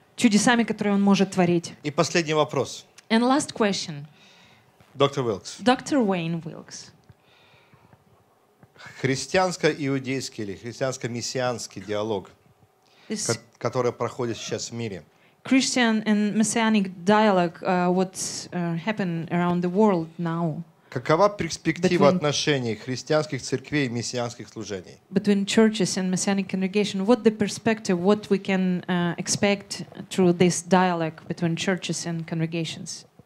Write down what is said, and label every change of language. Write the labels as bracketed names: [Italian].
[Russian] Чудесами, которые он может творить. И последний вопрос. [English] And last question. [Russian] Доктор Уилкс. Доктор Уэйн Уилкс. Христианско-иудейский или христианско-мессианский диалог, который проходит сейчас в мире. [English] Christian and messianic dialogue, what's happened around the world now? [Russian] Какова перспектива отношений христианских церквей и мессианских служений? [English] Between churches and messianic congregation, what the perspective, what we can expect through this dialogue between churches and congregations?